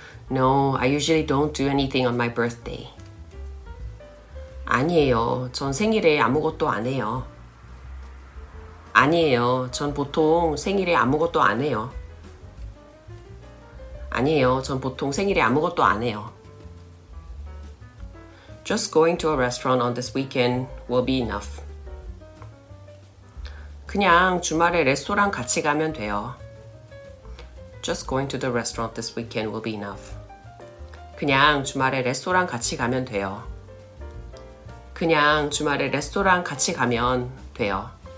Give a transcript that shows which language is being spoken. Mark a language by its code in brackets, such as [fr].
[en] No, I usually don't do anything on my birthday [ko] 아니에요, 전 생일에 아무것도 안 해요 아니에요, 전 보통 생일에 아무것도 안 해요 아니에요, 전 보통 생일에 아무것도 안 해요 [en] Just going to a restaurant on this weekend will be enough [ko] 그냥 주말에 레스토랑 같이 가면 돼요 [en] Just going to the restaurant this weekend will be enough [ko] 그냥 주말에 레스토랑 같이 가면 돼요 그냥 주말에 레스토랑 같이 가면 돼요